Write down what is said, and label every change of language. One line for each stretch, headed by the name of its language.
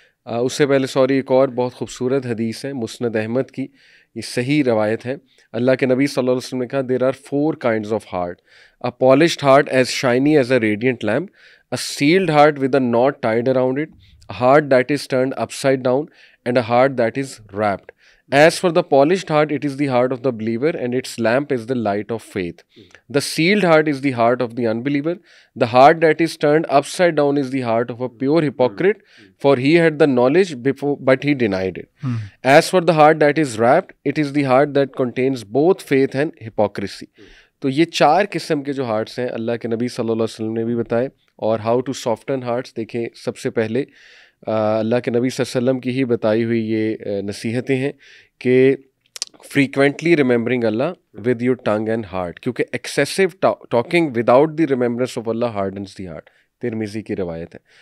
Urdu: اس سے پہلے سوری, ایک اور بہت خوبصورت حدیث ہے مسند احمد کی, یہ صحیح روایت ہے. اللہ کے نبی صلی اللہ علیہ وسلم نے کہا
English: There are four kinds of heart, a polished heart as shiny as a radiant lamp, a sealed heart with a knot tied around it, a heart that is turned upside down, and a heart that is wrapped. As for the polished heart, it is the heart of the believer and its lamp is the light of faith. The sealed heart is the heart of the unbeliever. The heart that is turned upside down is the heart of a pure hypocrite, for he had the knowledge before but he denied it. As for the heart that is wrapped, it is the heart that contains both faith and hypocrisy.
Urdu: تو یہ چار قسم کے جو hearts ہیں اللہ کے نبی صلی اللہ علیہ وسلم نے بھی بتائے. اور
English: how to soften hearts,
Urdu: دیکھیں سب سے پہلے اللہ کے نبی صلی اللہ علیہ وسلم کی ہی بتائی ہوئی یہ نصیحتیں ہیں کہ
English: frequently remembering Allah with your tongue and heart,
Urdu: کیونکہ
English: excessive talking without the remembrance of Allah hardens the heart,
Urdu: ترمذی کی روایت ہے.